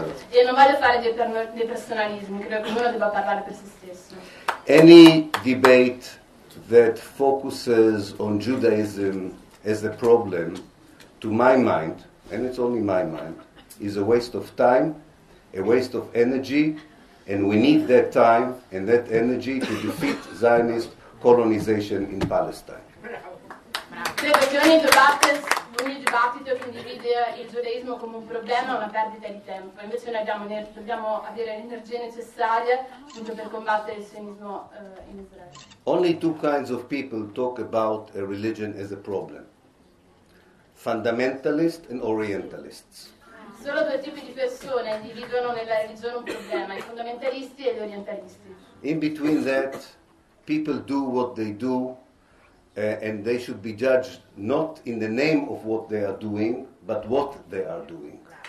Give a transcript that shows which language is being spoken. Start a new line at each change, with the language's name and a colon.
Italian: E non voglio fare dei personalismi, credo che uno debba parlare per se stesso.
English: Any debate that focuses on Judaism as the problem, to my mind, and it's only my mind, is a waste of time, a waste of energy, and we need that time and that energy to defeat Zionist colonization in Palestine.
Italian: Credo che ogni dibattito che individua il giudaismo come un problema è una perdita di tempo. Invece noi dobbiamo avere l'energia necessaria appunto per combattere il sionismo in Israele.
English: Only two kinds of people talk about a religion as a problem: fundamentalists and orientalists.
Italian: Solo due tipi di persone individuano nella religione un problema: i fondamentalisti e gli orientalisti.
English: In between that, people do what they do, and they should be judged not in the name of what they are doing, but what they are doing.